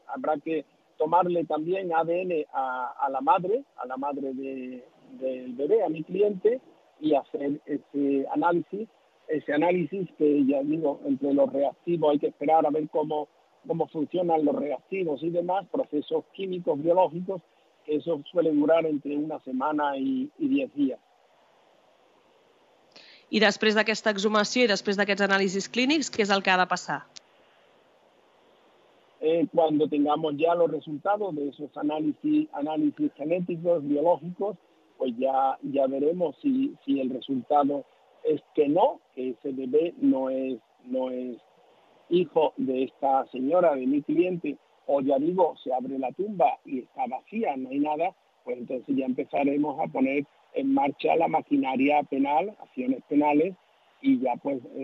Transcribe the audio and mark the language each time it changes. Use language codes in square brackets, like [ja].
[es] Habrá que tomarle también ADN a la madre del bebé, a mi cliente, y hacer ese análisis que, ya digo, entre los reactivos hay que esperar a ver cómo funcionan los reactivos y demás, procesos químicos, biológicos, que eso suele durar entre una semana y 10 días. [ca] I després d'aquesta exhumació i després d'aquests anàlisis clínics, què és el que ha de passar? [es] Cuando tengamos ya los resultados de esos análisis genéticos, biológicos, pues ya veremos si el resultado es que no, que ese bebé no es hijo de esta señora, de mi cliente, o ya digo, se abre la tumba y está vacía, no hay nada, pues entonces ya empezaremos a poner en marcha la maquinaria penal, acciones penales, y ya pues